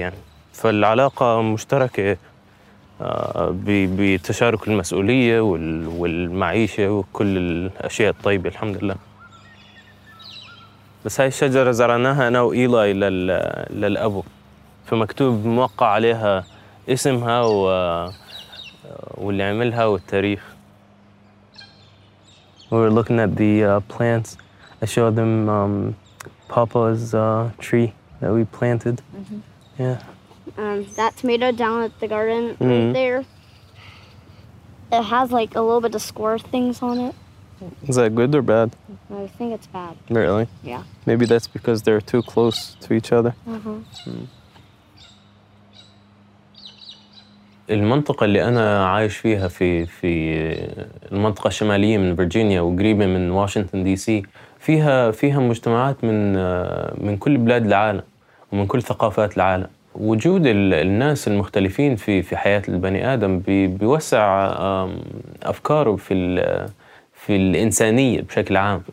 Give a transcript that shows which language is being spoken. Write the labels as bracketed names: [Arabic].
[Arabic] يعني فالعلاقة مشتركة بتشارك المسؤولية والمعيشة وكل الأشياء الطيبة الحمد لله. بس هاي الشجرة زرعناها أنا وإيلاي للأبو، فمكتوب موقع عليها اسمها واللي عملها والتاريخ. [English] We were looking at the plants. I showed them Papa's tree that we planted. Mm-hmm. Yeah. That tomato down at the garden mm-hmm. right there. It has like a little bit of score things on it. Is that good or bad? I think it's bad. Really? Yeah. Maybe that's because they're too close to each other. Uh-huh. [Arabic] المنطقة اللي أنا عايش فيها في المنطقة الشمالية من فيرجينيا وقريبة من واشنطن دي سي فيها مجتمعات من كل بلاد العالم ومن كل ثقافات العالم. وجود الناس المختلفين في حياة البني آدم بيوسع أفكاره في الإنسانية بشكل عام.